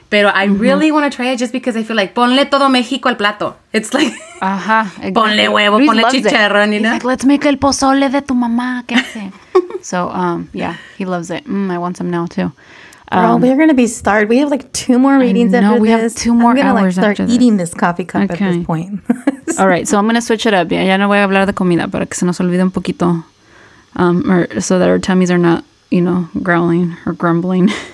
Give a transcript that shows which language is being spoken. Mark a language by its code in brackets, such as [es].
[en] Pero I really want to try it just because I feel like, [es] ponle todo México al plato. [en] It's like, [es] ponle huevo, Luis ponle chicharrón, [en] you know? He's like, let's make [es] el pozole de tu mamá, ¿qué hace? [en] So, he loves it. I want some now, too. We are going to be starred. We have like two more meetings after this. No, we have two more hours after this. I'm going to start eating this coffee cup at this point. All right, so I'm going to switch it up. [es] Yeah, ya no voy a hablar de comida para que se nos olvide un poquito. [en] So that our tummies are not, you know, growling or grumbling.